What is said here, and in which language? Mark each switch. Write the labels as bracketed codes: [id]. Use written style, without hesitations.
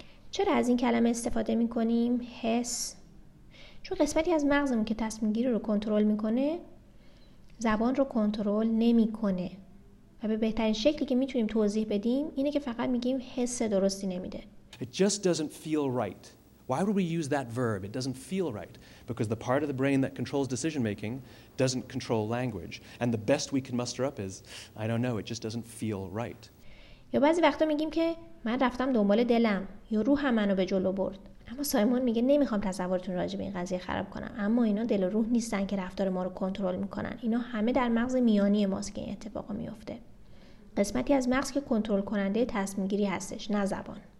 [fa] چرا از این کلمه استفاده میکنیم؟ حس. چون قسمتی از مغزمون که تصمیم گیری رو کنترل میکنه زبان رو کنترل نمیکنه. و به بهترین شکلی که میتونیم توضیح بدیم اینه که فقط میگیم حس درستی نمیده. [en] It just doesn't feel right. Why would we use that verb? It doesn't feel right. Because the part of the brain that controls decision making doesn't control language. And the best we can muster up is, I don't know, it just doesn't feel right. [fa] یا بعضی وقتا میگیم که من رفتم دنبال دلم یا روحم منو به جلو برد. اما سایمون میگه نمیخوام تصورتون راجع به این قضیه خراب کنم. اما اینا دل و روح نیستن که رفتار ما رو کنترل میکنن. اینا همه در مغز میانی ماست که این اتفاق میفته. قسمتی از مغز که کنترل کننده تصمیم گیری هستش، نه زبان.